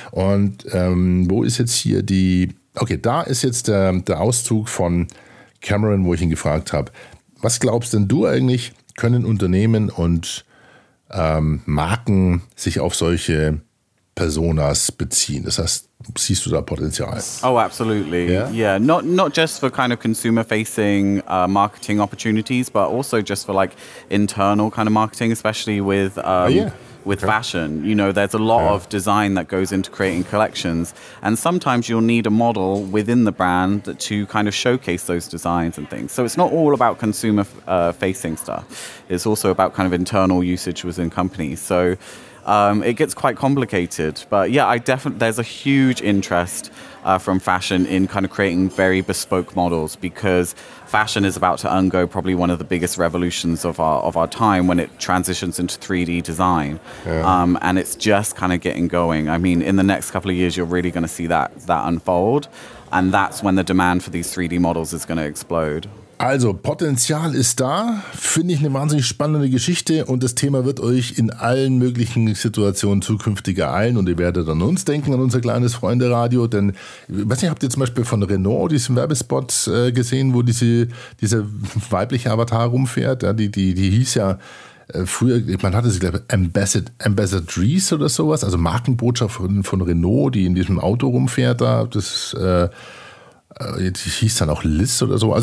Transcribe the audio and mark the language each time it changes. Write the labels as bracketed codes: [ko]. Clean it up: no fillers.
[de] Und wo ist jetzt hier die... Okay, da ist jetzt der Auszug von Cameron, wo ich ihn gefragt habe, was glaubst denn du eigentlich, können Unternehmen und Marken sich auf solche Personas beziehen? Das heißt, siehst du da Potenzial? [en] Oh, absolutely. Yeah. Not just for kind of consumer-facing marketing opportunities, but also just for like internal kind of marketing, especially with with fashion. You know, there's a lot of design that goes into creating collections. And sometimes you'll need a model within the brand to kind of showcase those designs and things. So it's not all about consumer facing stuff. It's also about kind of internal usage within companies. So it gets quite complicated. But yeah, there's a huge interest from fashion in kind of creating very bespoke models, because fashion is about to undergo probably one of the biggest revolutions of our time when it transitions into 3D design. Yeah. And it's just kind of getting going. I mean, in the next couple of years, you're really going to see that unfold. And that's when the demand for these 3D models is going to explode. [de] Also, Potenzial ist da, finde ich eine wahnsinnig spannende Geschichte und das Thema wird euch in allen möglichen Situationen zukünftig ereilen und ihr werdet an uns denken, an unser kleines Freunde-Radio, denn, ich weiß nicht, habt ihr zum Beispiel von Renault diesen Werbespot gesehen, wo diese weibliche Avatar rumfährt, ja, die hieß ja früher, man hatte sie, glaube ich, Ambassadrice oder sowas, also Markenbotschaft von Renault, die in diesem Auto rumfährt da, die hieß dann auch Liz oder so.